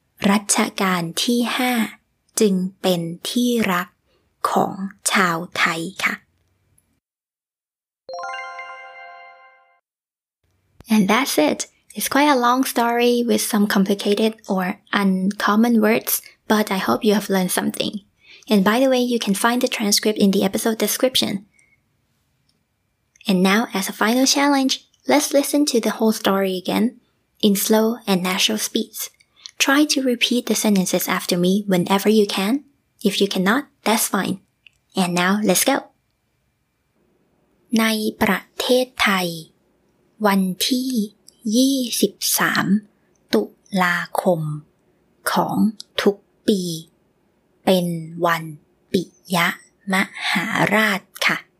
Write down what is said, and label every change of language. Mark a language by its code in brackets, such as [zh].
[th] รัชกาลที่ห้าจึงเป็นที่รักของชาวไทยค่ะ [en] and that's it it's quite a long story with some complicated or uncommon words but I hope you have learned somethingAnd by the way, you can find the transcript in the episode description. And now, as a final challenge, let's listen to the whole story again in slow and natural speeds. Try to repeat the sentences after me whenever you can. If you cannot, that's fine. And now, let's go. [th] ในประเทศไทยวันที่23ตุลาคมของทุกปีเป็นวันปิยมหาราชค่ะ